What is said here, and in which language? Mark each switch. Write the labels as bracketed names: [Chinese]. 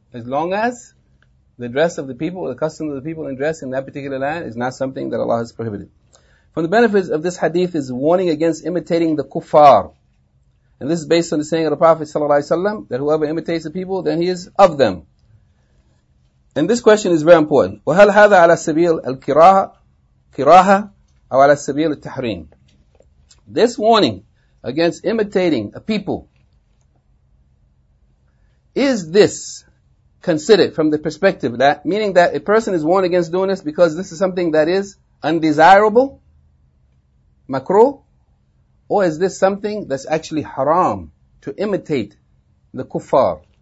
[English] As long as the dress of the people, the custom of the people in dress in that particular land is not something that Allah has prohibited. From the benefits of this hadith is warning against imitating the kuffar. And this is based on the saying of the Prophet ﷺ, that whoever imitates the people, then he is of them. And this question is very important. [Arabic] وَهَلْ هَذَا عَلَى السَّبِيلِ الْكِرَاهَ أَوْ عَلَى السَّبِيلِ التَّحْرِيمِ. [English] This warning against imitating a people, is this considered from the perspective that, meaning that a person is warned against doing this because this is something that is undesirable, makruh, or is this something that's actually haram to imitate the kuffar?